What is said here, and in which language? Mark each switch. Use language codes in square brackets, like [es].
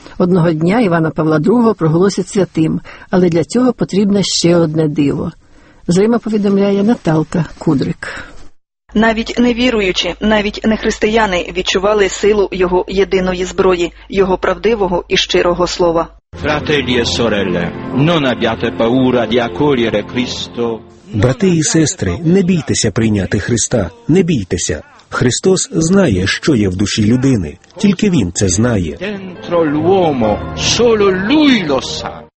[uk] Одного дня Івана Павла ІІ проголосять святим, але для цього потрібне ще одне диво. З Рима повідомляє Наталка Кудрик. Навіть невіруючі, навіть не християни відчували силу його єдиної зброї, його правдивого і щирого слова. [it] Fratelli e sorelle, non abbiate paura di accogliere Cristo. [uk] Брати і сестри, не бійтеся прийняти Христа, не бійтеся. Христос знає, що є в душі людини, тільки Він це знає. [it] Dentro l'uomo, solo lui lo sa.